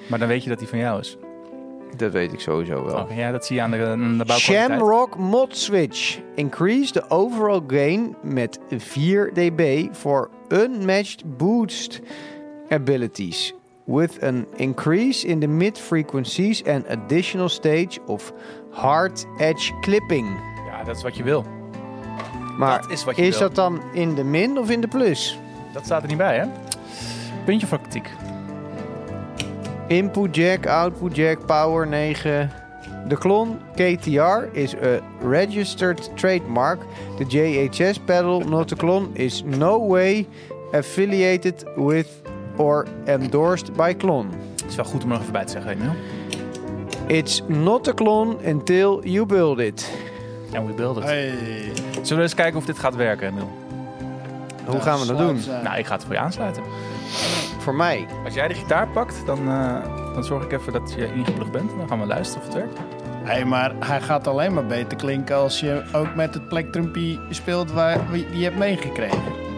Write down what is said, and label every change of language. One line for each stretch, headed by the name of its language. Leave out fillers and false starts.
Dutch: Maar dan weet je dat hij van jou is. Dat weet ik sowieso wel. Oh, ja, dat zie je aan de bouwkwaliteit.
English: Shamrock mod switch. Increase the overall gain met 4 dB for unmatched boost abilities. With an increase in the mid-frequencies and additional stage of hard edge clipping.
Dutch: Ja, dat is wat je wil. Maar is dat dan in de min of in de plus? Dat staat er niet bij, hè? Puntje voor kritiek.
English: Input jack, output jack, power 9. De klon KTR is a registered trademark. The JHS pedal, not a klon, is no way affiliated with... or endorsed by Klon.
Dutch: Het is wel goed om er even bij te zeggen, Emil.
English: It's not a Klon until you build it. And we build it. Hey.
Dutch: Zullen we eens kijken of dit gaat werken, Emil? Hoe gaan we dat doen? Nou, ik ga het voor je aansluiten. Voor mij? Als jij de gitaar pakt, dan zorg ik even dat je ingeplugd bent. Dan gaan we luisteren of het werkt. Hey, maar hij gaat alleen maar beter klinken als je ook met het plektrumpie speelt waar je hebt meegekregen.